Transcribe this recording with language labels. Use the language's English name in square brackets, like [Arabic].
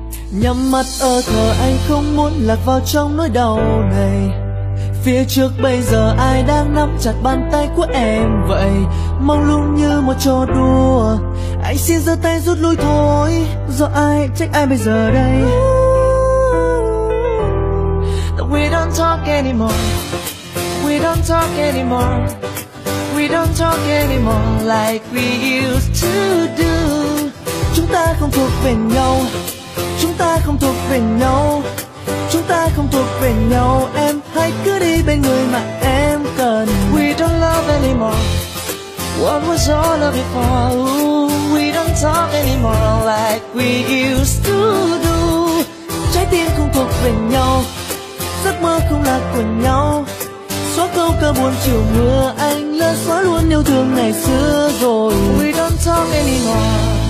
[Vietnamese] Nhắm mắt ơ thờ, anh không muốn lạc vào trong nỗi đau này. Phía trước bây giờ ai đang nắm chặt bàn tay của em vậy? Mong luôn như một trò đùa, anh xin giơ tay rút lui thôi. Do ai trách ai bây giờ đây? [English] Ooh, we don't talk anymore, we don't talk anymore, we don't talk anymore like we used to do. [Vietnamese] Chúng ta không thuộc về nhau, chúng ta không thuộc về nhau, chúng ta không thuộc về nhau. Em hãy cứ đi bên người mà em cần. [English] We don't love anymore, what was all of it for? Ooh, we don't talk anymore like we used to do. [Vietnamese] Trái tim không thuộc về nhau, giấc mơ không là của nhau. Xóa câu ca buồn chiều mưa, anh lỡ xóa luôn yêu thương ngày xưa rồi. [English] We don't talk anymore.